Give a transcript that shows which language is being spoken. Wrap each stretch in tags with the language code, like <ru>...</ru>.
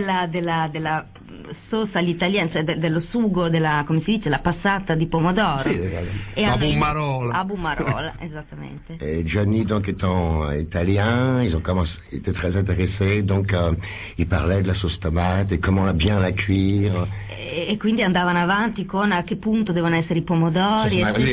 <it>della sosa all'italiana, cioè dello sugo, della, come si dice, la passata di pomodoro. Sì, esatto. A bumarola, esattamente.</it> <fr>E Gianni, donc, étant italien, ils ont commencé, étaient très intéressés, donc ils parlaient de la sauce tomate et comment bien la cuire.</fr> <it>E quindi andavano avanti con a che punto devono essere i pomodori.</it>